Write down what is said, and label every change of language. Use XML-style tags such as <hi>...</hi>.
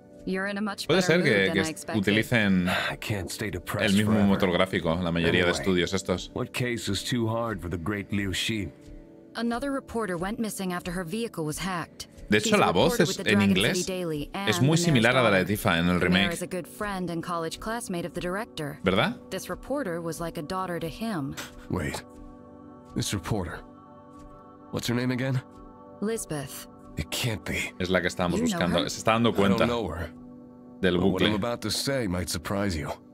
<es>Puede ser que utilicen el mismo motor gráfico, la mayoría de estudios estos.</es> <en>What case is too hard for the great Liu Shi? Another reporter went missing after her vehicle was hacked.</en> <es>De hecho, la voz es en inglés. Es muy similar a la de Tifa en el remake.</es> <en>Is a good friend and college classmate of the director.</en> <es>¿Verdad?</es> <en>This reporter was like a daughter to him. Wait. This reporter. What's her name again? Lisbeth. It can't be.</en> <es>Es la que estábamos buscando. Se está dando cuenta del bucle.</es> <en>What I'm about to say might surprise you.</en>